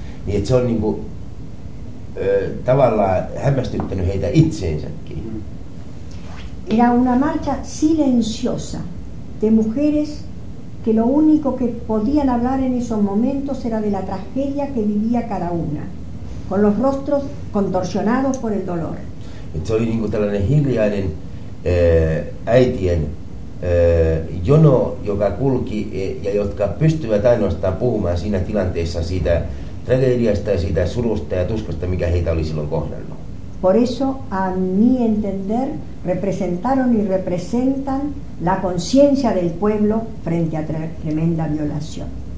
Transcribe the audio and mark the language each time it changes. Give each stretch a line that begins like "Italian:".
Finnish: Niin se on niinku, tavallaan hämmästyttänyt heitä itseensäkin.
Spanish: Era una marcha silenciosa de mujeres que lo único que podían hablar en esos momentos era de la tragedia que vivía cada una. Con los rostros contorsionados por el dolor.
Finnish: Se oli niinku tällainen hiljainen äitien jono, joka kulki ja jotka pystyvät ainoastaan puhumaan siinä tilanteessa siitä tragediasta ja siitä surusta ja tuskasta, mikä heitä oli silloin kohdannut.
Spanish: Por eso, a mi entender, representaron y representan la conciencia del pueblo frente a tremenda violación.